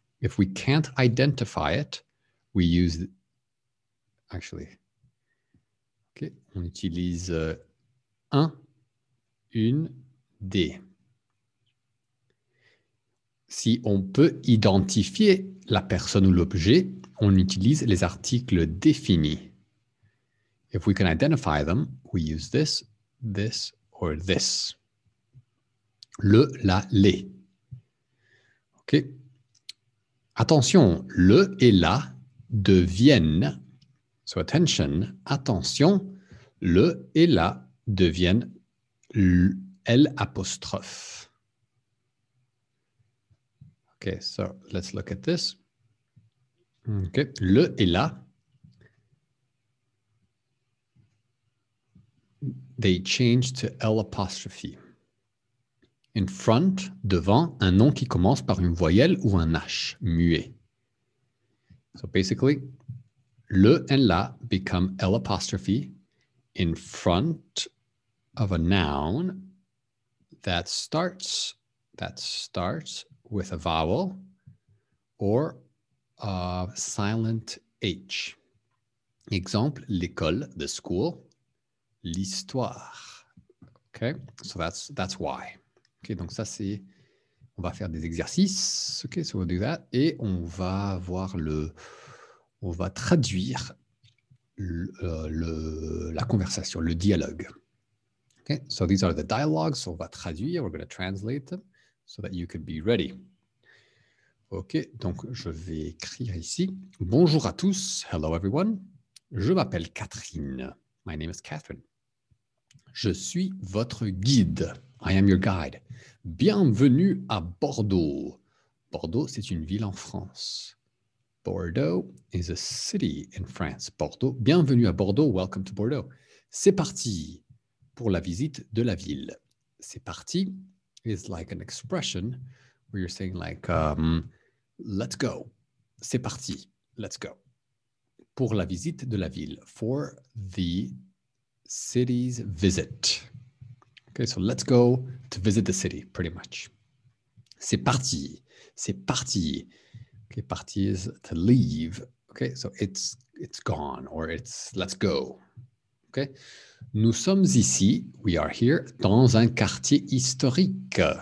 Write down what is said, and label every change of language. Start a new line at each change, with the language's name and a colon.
English: If we can't identify it, we use, actually, okay,
French: on utilise un, une, des. Si on peut identifier la personne ou l'objet, on utilise les articles définis.
English: If we can identify them, we use this, this, or this.
French: Le, la, les. OK. Attention, le et la deviennent, so attention, attention, le et la deviennent l apostrophe.
English: OK, so let's look at this. OK,
French: le et la,
English: they change to L apostrophe. In front,
French: devant, un nom qui commence par une voyelle ou un H, muet.
English: So basically, le and la become L apostrophe in front of a noun that starts with a vowel or a silent H. Example, l'école, the school, l'histoire. Okay, so that's why.
French: Okay, donc ça c'est, on va faire des exercices.
English: Okay, so we'll do that.
French: Et on va voir le, on va traduire la conversation, le dialogue.
English: Okay, so these are the dialogues. So
French: on va traduire,
English: we're going to translate them so that you can be ready.
French: Okay, donc je vais écrire ici. Bonjour à tous.
English: Hello everyone.
French: Je m'appelle Catherine.
English: My name is Catherine.
French: Je suis votre guide.
English: I am your guide.
French: Bienvenue à Bordeaux. Bordeaux, c'est une ville en France.
English: Bordeaux is a city in France.
French: Bordeaux, bienvenue à Bordeaux.
English: Welcome to Bordeaux.
French: C'est parti pour la visite de la ville.
English: C'est parti is like an expression where you're saying like, let's go.
French: C'est parti.
English: Let's go.
French: Pour la visite de la ville.
English: For the city's visit. Okay, so let's go to visit the city, pretty much.
French: C'est parti. C'est parti.
English: Okay, parti is to leave. Okay, so it's gone or it's let's go. Okay.
French: Nous sommes ici,
English: we are here,
French: dans un quartier historique.